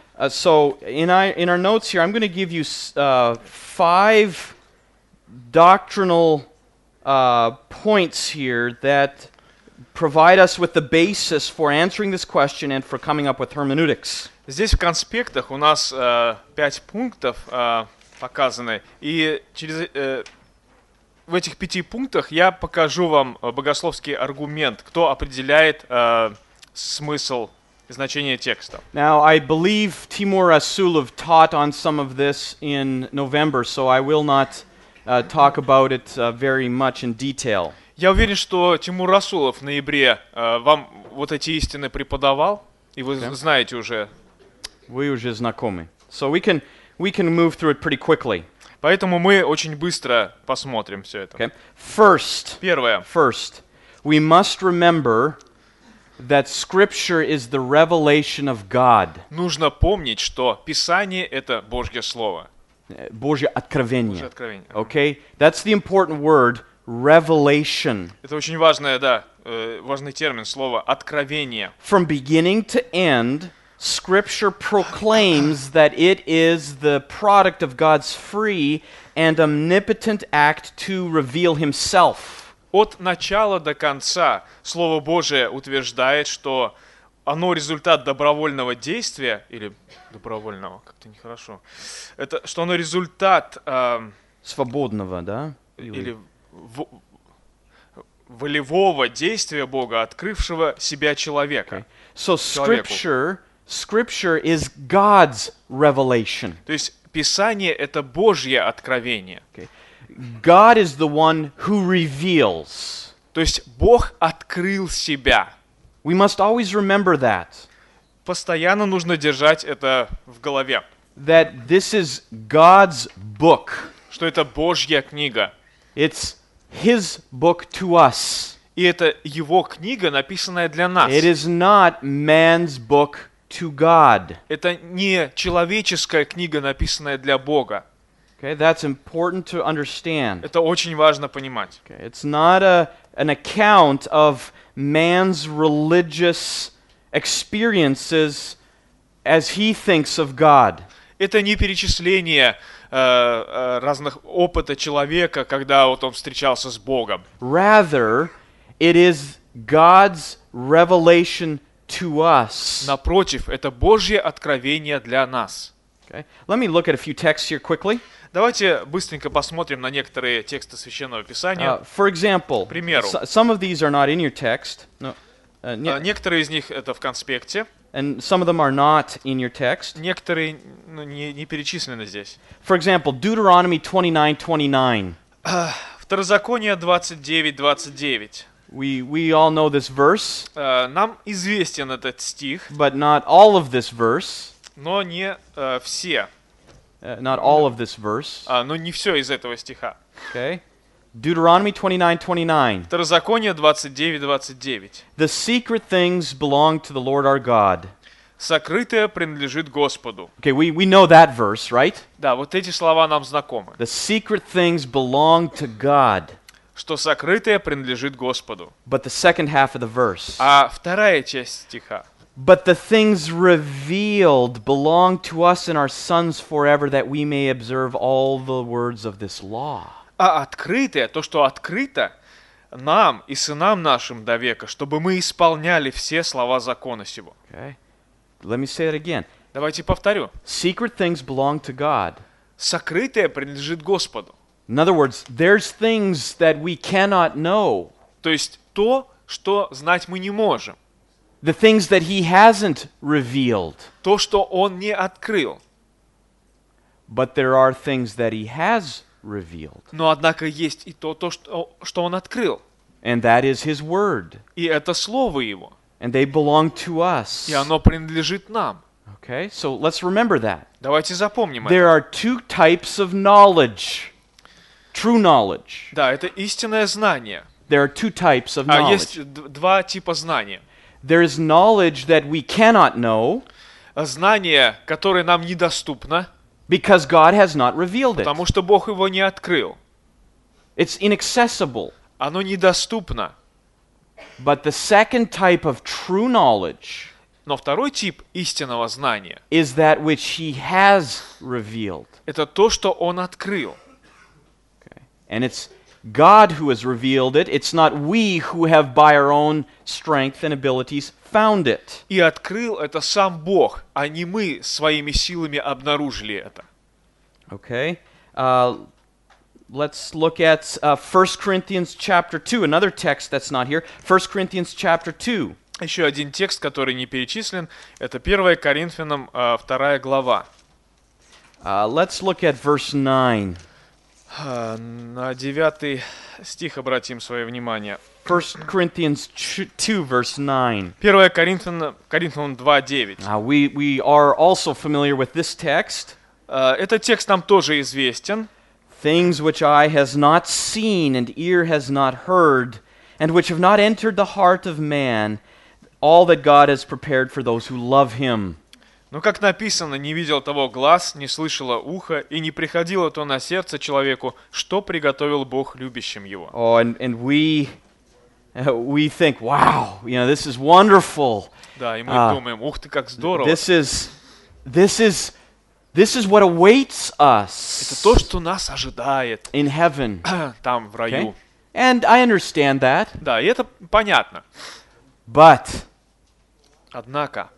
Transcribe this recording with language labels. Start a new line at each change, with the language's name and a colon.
English: So, in our notes here, I'm going to give you five doctrinal points here that provide us with the basis for answering this question and for coming up with hermeneutics.
Russian: Здесь в конспектах у нас пять пунктов показаны, и через... В этих пяти пунктах я покажу вам богословский аргумент, кто определяет смысл и значение текста.
English: Now, I believe Timur Rasulov taught on some of this in November, so I will not talk about it very much in detail.
Russian: Я уверен, что Тимур Расулов в ноябре вам вот эти истины преподавал, и вы знаете уже. Вы уже знакомы.
English: So we can move through it pretty quickly.
Russian: Поэтому мы очень быстро посмотрим все это.
English: Okay. First,
Russian: первое.
English: First, we must remember that Scripture is the revelation of God.
Russian: Нужно помнить, что Писание — это Божье Слово. Божье откровение. Божье откровение.
English: Okay? That's the important word, revelation.
Russian: Это очень важное, да, важный термин, слово «откровение».
English: From beginning to end... Scripture proclaims that it is the product of God's free and omnipotent act to reveal Himself.
Russian: От начала до конца Слово Божие утверждает, что оно результат добровольного действия, или добровольного, как-то нехорошо, это, что оно результат... Свободного, да? Или волевого действия Бога, открывшего себя человека.
English: Okay. So Scripture... Scripture is God's revelation.
Russian: То есть Писание — это Божье откровение.
English: Okay. God is the one who reveals.
Russian: То есть Бог открыл себя.
English: We must always remember that.
Russian: Постоянно нужно держать это в голове.
English: That this is God's book.
Russian: Что это Божья книга.
English: It's His book to us.
Russian: И это Его книга, написанная для нас.
English: It is not man's book. To God.
Russian: Это не человеческая книга, написанная для Бога.
English: Okay, that's important to understand.
Russian: Это очень важно понимать.
English: Okay, it's not an account of man's religious experiences as he thinks of God.
Russian: Это не перечисление разных опыта человека, когда вот он встречался с Богом.
English: Rather, it is God's revelation. To us.
Russian: Напротив, это Божье откровение для нас.
English: Okay. Let me look at a few texts here quickly.
Russian: Давайте быстренько посмотрим на некоторые тексты Священного Писания.
English: For example,
Russian: к примеру,
English: some of these are not in your text. No.
Russian: Некоторые из них это в конспекте.
English: And some of them are not in your text.
Russian: Некоторые не перечислены здесь.
English: For example, Deuteronomy 29:29.
Russian: Второзаконие 29:29.
English: We all know this verse.
Russian: Нам известен этот стих.
English: But not all of this verse.
Russian: Но не все.
English: Not all of this verse.
Russian: Но не все из этого стиха.
English: Okay. Deuteronomy 29:29.
Russian: Второзаконие 29:29.
English: The secret things belong to the Lord our God.
Russian: Сокрытое принадлежит Господу.
English: Okay, we know that verse, right?
Russian: Да, вот эти слова нам знакомы.
English: The secret things belong to God.
Russian: Что сокрытое принадлежит Господу.
English: But the second half of the verse.
Russian: А вторая часть стиха.
English: But the things revealed belong to us and our sons forever, that we may observe all the words of this law.
Russian: А открытое, то, что открыто, нам и сынам нашим до века, чтобы мы исполняли все слова закона сего.
English: Okay. Let me say it again.
Russian: Давайте повторю.
English: Secret things belong to God.
Russian: Сокрытое принадлежит Господу.
English: In other words, there's things that we cannot know.
Russian: То есть то, что знать мы не можем.
English: The things that he hasn't revealed.
Russian: То, что он не открыл.
English: But there are things that he has revealed.
Russian: Но однако есть и то, что он открыл.
English: And that is his word.
Russian: И это слово его.
English: And they belong to us.
Russian: И оно принадлежит нам.
English: Okay, so let's remember that.
Russian: Давайте запомним это.
English: There are two types of knowledge. True knowledge.
Russian: Да, это истинное знание.
English: There are two types of knowledge.
Russian: А есть два типа знания.
English: There is knowledge that we cannot know.
Russian: Знание, которое нам недоступно.
English: Because God has not revealed it.
Russian: Потому что Бог его не открыл.
English: It's inaccessible.
Russian: Оно недоступно.
English: But the second type of true knowledge.
Russian: Но второй тип истинного знания.
English: Is that which he has revealed.
Russian: Это то, что он открыл.
English: And it's God who has revealed it. It's not we who have by our own strength and abilities found it.
Russian: И открыл это сам Бог, а не мы своими силами обнаружили это.
English: Okay. Let's look at 1 Corinthians chapter 2, another text that's not here. 1 Corinthians chapter 2.
Russian: Еще один текст, который не перечислен, это 1 Коринфянам 2 глава.
English: Let's look at verse 9.
Russian: На 9 стих обратим свое внимание.
English: 1 Corinthians 2, verse 9.
Russian: 1 Коринфянам 2, 9.
English: We are also familiar with this text.
Russian: Этот текст нам тоже известен.
English: Things which eye has not seen and ear has not heard and which have not entered the heart of man, all that God has prepared for those who love him.
Russian: Но как написано, не видел того глаз, не слышало ухо, и не приходило то на сердце человеку, что приготовил Бог любящим его.
English: Oh, and we think, wow, you know, this is wonderful.
Russian: Да, и мы думаем, ух ты, как здорово.
English: This is what awaits us.
Russian: Это то, что нас ожидает.
English: In heaven.
Russian: Там, в раю.
English: Okay? And I understand that.
Russian: Да, и это понятно.
English: But...
Russian: Однако,